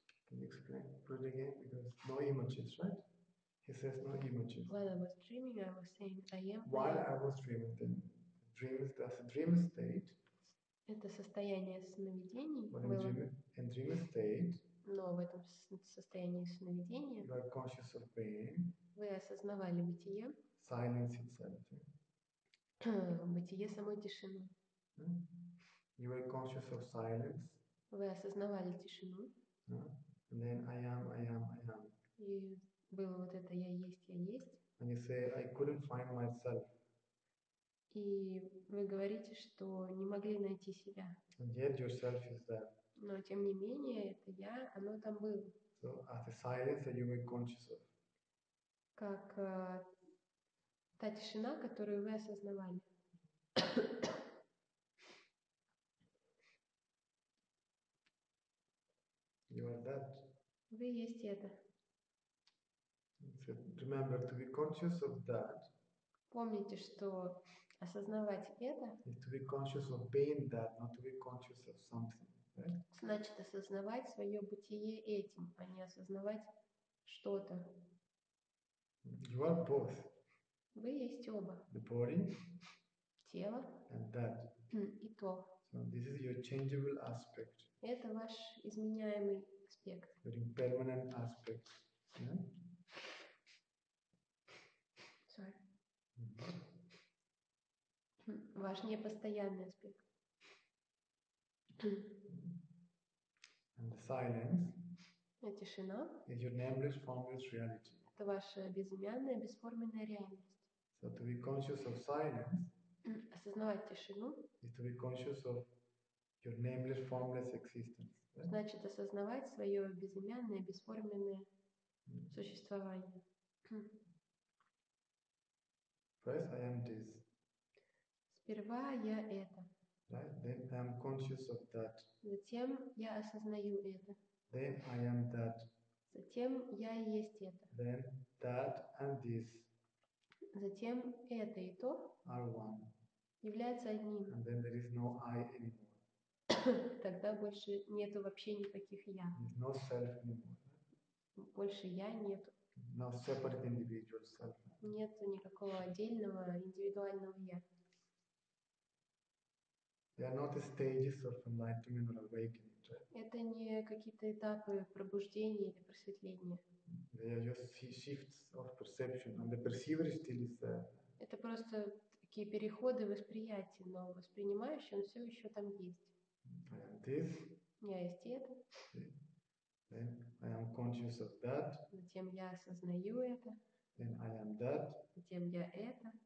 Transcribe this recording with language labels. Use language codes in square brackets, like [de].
[en] Can you explain it again? Because no images, right? He says no images. While I was dreaming, I was saying I am. While I was dreaming, then dreams, that's a dream state. [ru] Это состояние сновидений. [en] In dream state, [ru] но в этом состоянии сновидения [en] you are conscious of being, [ru] вы осознавали бытие, [en] silence itself, [ru] бытие самой тишины. [en] You are conscious of silence, [ru] вы осознавали тишину. [en] And then I am. [ru] И было вот это я есть, я есть. [en] And you say, I couldn't find myself. [ru] И вы говорите, что не могли найти себя. [en] And yet yourself is there. [ru] Но тем не менее, это я, оно там было. [en] So as the silence that you were conscious of. [ru] Как та тишина, которую вы осознавали. [en] You are that. [ru] Вы есть это. [en] So remember to be conscious of that. [ru] Помните, что осознавать это. [en] To be conscious of being that, not to be conscious of something. Right? [ru] Значит, осознавать свое бытие этим, а не осознавать что-то. [en] You are both. [ru] Вы есть оба. [en] The body. [ru] Тело. [en] And that. [ru] И то. [en] So this is your changeable aspect. [ru] Это ваш изменяемый аспект. [en] Your impermanent aspect. Yeah? Sorry. [ru] Ваш непостоянный аспект. [en] And the silence. [ru] А тишина. [en] Is your nameless, formless reality. [ru] Это ваша безымянная, бесформенная реальность. [en] So to be conscious of silence. [ru] Осознавать тишину. [en] Is to be conscious of your nameless, formless existence. Right? [ru] Значит, осознавать свое безымянное, бесформенное существование. [en] First, I am this. [ru] Сперва я это. [en] conscious of that. [ru] Затем я осознаю это. [en] Then I am that. [ru] Затем я есть это. [en] Then that and this. [ru] Затем это и то [en] are one. [ru] Является одним. [en] And then there is no I anymore. [ru] Тогда больше нету вообще никаких я. [en] No self anymore. [ru] Больше я нету. [en] No separate individual self. [ru] Нету никакого отдельного индивидуального я. [en] They are not stages of enlightenment or awakening. Right? [ru] Это не какие-то этапы пробуждения или просветления. [en] They are just shifts of perception, and the perceiver still is there. [ru] Это просто такие переходы восприятия, но воспринимающий он все еще там есть. [en] And this. [ru] Я есть это. [en] Then I am conscious of that. [ru] Затем я осознаю это. [en] Then I am that. [ru] Затем я это.